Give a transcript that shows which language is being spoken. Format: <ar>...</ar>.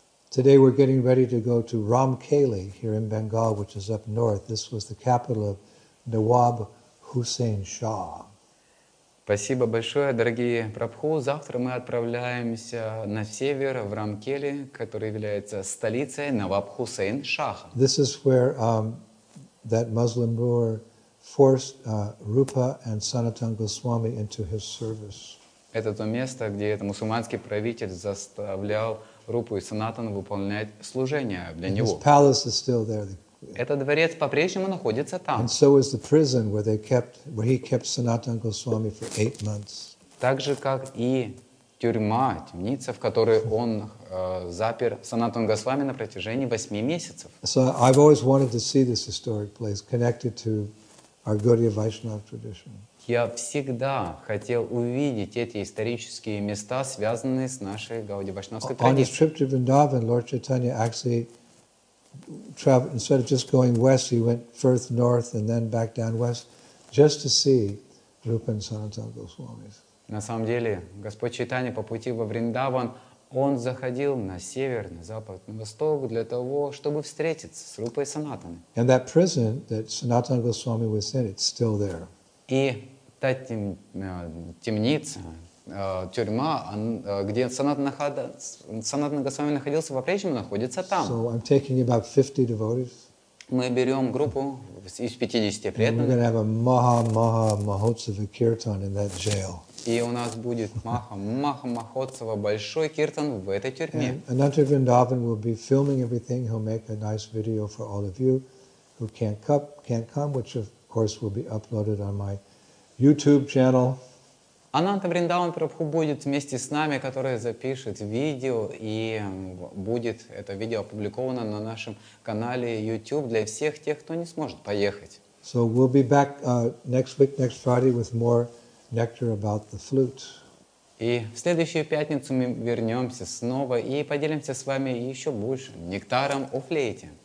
<en>Today we're getting ready to go to Ramkeli here in Bengal, which is up north. This was the capital of Nawab Hussein Shah.</en> <ru>Спасибо большое, дорогие Прабху. Завтра мы отправляемся на север, в Рамкели, который является столицей Наваб Хусейн Шаха.</ru> <en>This is where that Muslim ruler forced Rupa and Sanatan Goswami into his service.</en> <ru>Это то место, где этот мусульманский правитель заставлял Рупу и Санатан выполнять служение для него.</ru> <en>His palace is still there.</en> <ru>Этот дворец по-прежнему находится там.</ru> <en>And so is the prison where he kept Sanatan Goswami for 8 months.</en> <ru>Так же, как и тюрьма, темница, в которой он запер Санатан Госвами на протяжении 8 месяцев.</ru> <en>So I've always wanted to see this historic place connected to our Gaudiya Vaishnava tradition.</en> <ru>Я всегда хотел увидеть эти исторические места, связанные с нашей гаудия-вайшнавской традицией.</ru> <en>On his trip to Vrindavan, Lord Chaitanya actually traveled, instead of just going west, he went first north and then back down west, just to see Rupa and Sanatana Goswami's.</en> <ru>На самом деле, Господь Чайтанья по пути во Вриндаван, он заходил на север, на запад, на восток для того, чтобы встретиться с Рупой и Санатаной.</ru> <en>And that prison that Sanatana Goswami was in, it's still there.</en> <ru>И та темница, тюрьма, где Санатана Госвами находился, по-прежнему находится там.</ru> <en>So I'm taking about 50 devotees.</en> <ru>Мы берем группу из 50 преданных.</ru> <en>We're going to have a Maha-Maha-Mahotsava Kirtan in that jail.</en> <ru>И у нас будет Маха-Махотсава, большой киртан в этой тюрьме.</ru> <en>And Ananta Vrindavan will be filming everything. He'll make a nice video for all of you who can't come, which of course will be uploaded on my YouTube channel.</en> <ru>Ананта Вриндаван Прабху будет вместе с нами, который запишет видео, и будет это видео опубликовано на нашем канале YouTube для всех тех, кто не сможет поехать.</ru> <en>So we'll be back next week, next Friday, with more nectar about the flute.</en> <ru>И в следующую пятницу мы вернемся снова и поделимся с вами еще больше нектаром о флейте.</ru>